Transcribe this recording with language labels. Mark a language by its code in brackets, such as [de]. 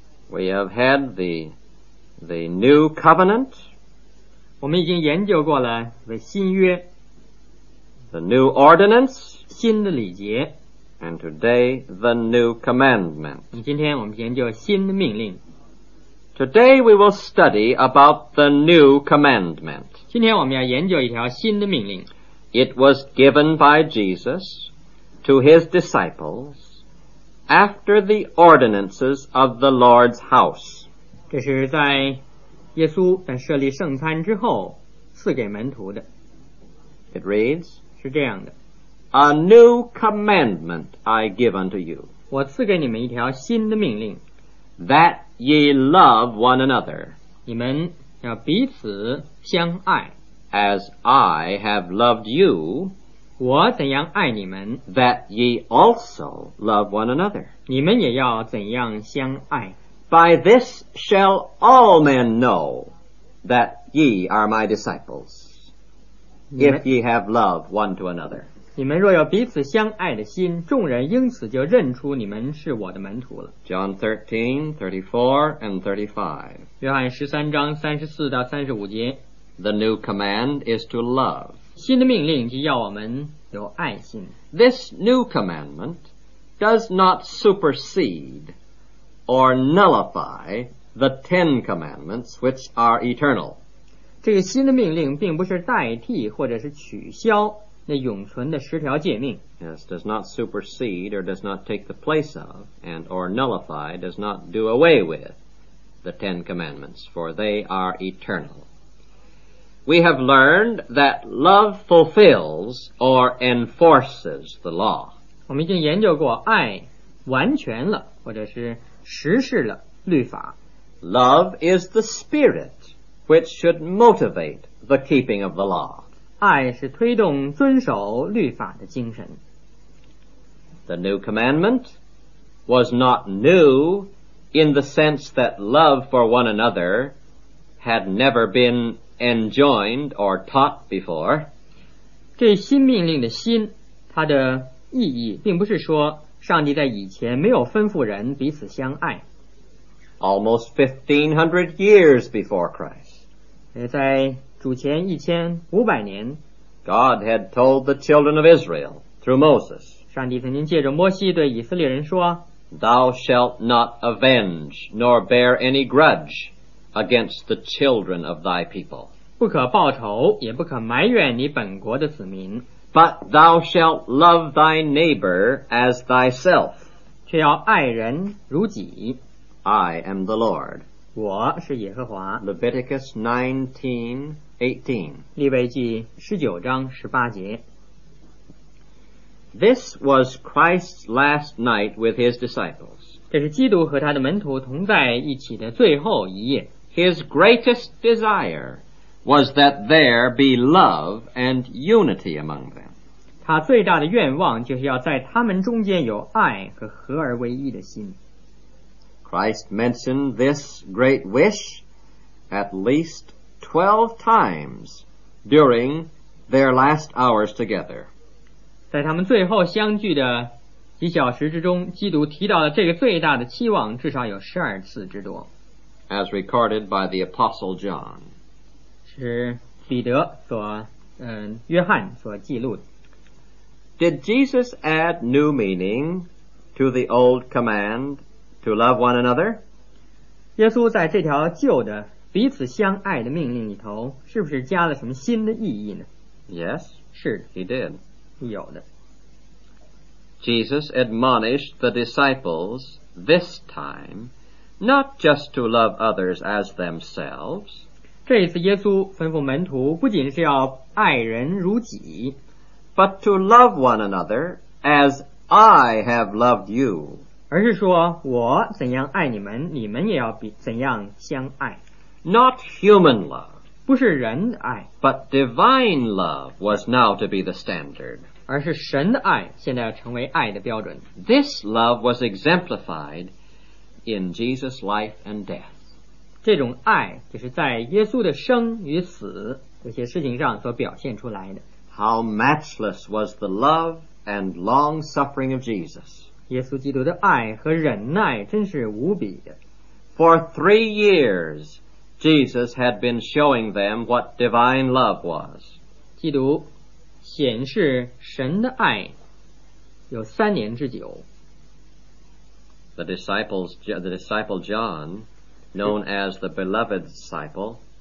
[en] We have had the new covenant， [zh] 我们已经研究过了这新约。 [en] The new ordinance， [zh] 新的礼节。 [en] And today the new commandment， [zh] 今天我们研究新的命令。 [en] Today we will study about the new commandment， [zh] 今天我们要研究一条新的命令。 [en] It was given by Jesus to his disciples after the ordinances of the Lord's house， [zh] 这是在耶稣在设立圣餐之后赐给门徒的。 [en] It reads， [zh] 是这样的。 [en] A new commandment I give unto you， [zh] 我赐给你们一条新的命令。 [en] That ye love one another， [zh] 你们要彼此相爱。 [en] As I have loved you， [zh] 我怎样爱你们。 [en] That ye also love one another， [zh] 你们也要怎样相爱。 [en] By this shall all men know that ye are my disciples，If ye have love one to another， [zh] 你们若有彼此相爱的心，众人因此就认出你们是我的门徒了。 [en] John 13:34-35， [zh] 约翰十三章三十四到三十五节。 [en] The new command is to love， [zh] 新的命令就要我们有爱心。 [en] This new commandment does not supersede or nullify the ten commandments which are eternal， [zh] 这个新的命令并不是代替或者是取消那永存的十条诫命。 [en] Yes, does not supersede or does not take the place of and or nullify, does not do away with the Ten Commandments, for they are eternal. We have learned that love fulfills or enforces the law. [zh] 我们已经研究过爱完全了或者是实施了律法。 [en] Love is the spirit which should motivate the keeping of the law， [zh] 爱是推动遵守律法的精神。 [en] The new commandment was not new in the sense that love for one another had never been enjoined or taught before， [zh] 这新命令的新，它的意义并不是说上帝在以前没有吩咐人彼此相爱。 [en] Almost 1500 years before Christ， [zh] 在主前一千五百年， [en] God had told the children of Israel through Moses， [zh] 上帝曾经借着摩西对以色列人说， [en] Thou shalt not avenge nor bear any grudge against the children of thy people， [zh] 不可报仇也不可埋怨你本国的子民。 [en] But thou shalt love thy neighbor as thyself， [zh] 却要爱人如己。 [en] I am the Lord， [zh] 我是耶和华。 [en] Leviticus 19:18， [zh] 利未记十九章十八节。 [en] This was Christ's last night with his disciples， [zh] 这是基督和他的门徒同在一起的最后一夜。 [en] His greatest desire was that there be love and unity among them. [zh] 他最大的愿望就是要在他们中间有爱和合而为一的心。 [en] Christ mentioned this great wish at least 12 times during their last hours together. [zh] 在他们最后相聚的几小时之中，基督提到了这个最大的期望至少有12次之多。 [en] As recorded by the Apostle John. [zh] 是彼得所约翰所记录的。 [en] Did Jesus add new meaning to the old command to love one another? [zh] 耶稣在这条旧的彼此相爱的命令里头是不是加了什么新的意义呢？ [en] Yes, [zh] 是的， [en] he did. [zh] 有的。 [en] Jesus admonished the disciples this time not just to love others as themselves. [zh] 这一次耶稣吩咐门徒不仅是要爱人如己， [en] But to love one another as I have loved you. [zh] 而是说我怎样爱你们，你们也要怎样相爱。 [en] Not human love. [zh] 不是人的爱。 [en] But divine love was now to be the standard. [zh] 而是神的爱现在要成为爱的标准。 [en] This love was exemplified in Jesus' life and death. [zh] 这种爱就是在耶稣的生与死这些事情上所表现出来的。 [en] How matchless was the love and long-suffering of Jesus. [zh] 耶稣基督的爱和忍耐真是无比的。 [en] For 3 years, Jesus had been showing them what divine love was. [zh] 基督显示神的爱有三年之久。 [en] The disciple John, known as the beloved disciple,